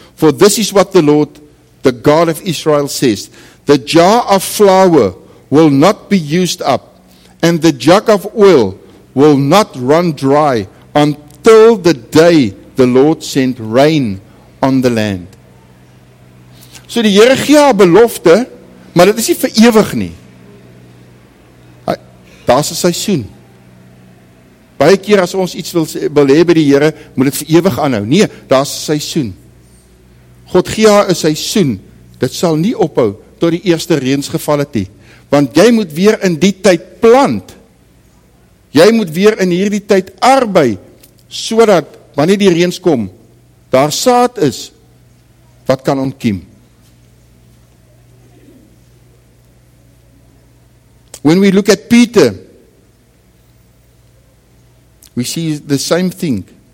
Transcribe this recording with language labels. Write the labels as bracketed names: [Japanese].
[English] For this is what the Lord, the God of Israel says. The jar of flour will not be used up, and the jug of oil will not run dry until the day the Lord sent rain on the land. [Afrikaans] So die Here gee haar belofte, maar dit is nie vir ewig nie. Daar's 'n seisoen. Baie keer as ons iets wil hê by die Here, moet dit vir ewig aanhou. Nee, daar's 'n seisoen. God gee haar 'n seisoen. Dit sal nie ophou tot die eerste reëns geval het nie. Want jy moet weer in die tyd plant. Jy moet weer in hierdie tyd arbei, sodat wanneer die reëns kom, daar saad is wat kan ontkiem. [English] When we look at Peter, we see the same thing.